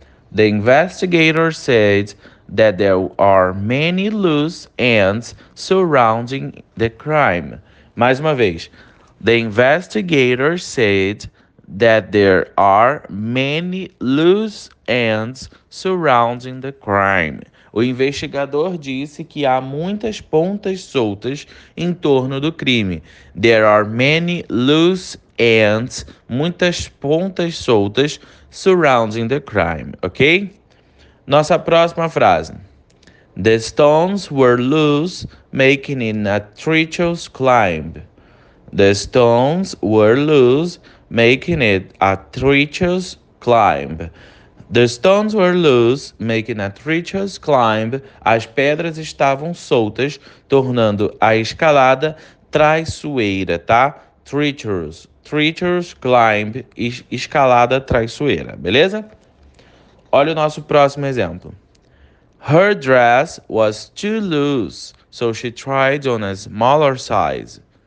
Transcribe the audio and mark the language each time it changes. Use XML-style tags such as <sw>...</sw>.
<en>The investigator said that there are many loose ends surrounding the crime.</en> <pt>Mais uma vez.</pt> <en>The investigator said that there are many loose ends surrounding the crime.</en> <pt>O investigador disse que há muitas pontas soltas em torno do crime.</pt> <en>There are many loose ends,</en> <pt>muitas pontas soltas,</pt> <en>surrounding the crime, ok?</en> <pt>Nossa próxima frase.</pt> <en>The stones were loose, making it a treacherous climb. The stones were loose, making it a treacherous climb. The stones were loose, making a treacherous climb.</en> <pt>As pedras estavam soltas, tornando a escalada traiçoeira, tá?</pt> <en>Treacherous. Treacherous climb,</en> <pt>escalada traiçoeira, beleza? Olha o nosso próximo exemplo.</pt> <en>Her dress was too loose, so she tried on a smaller size.</en>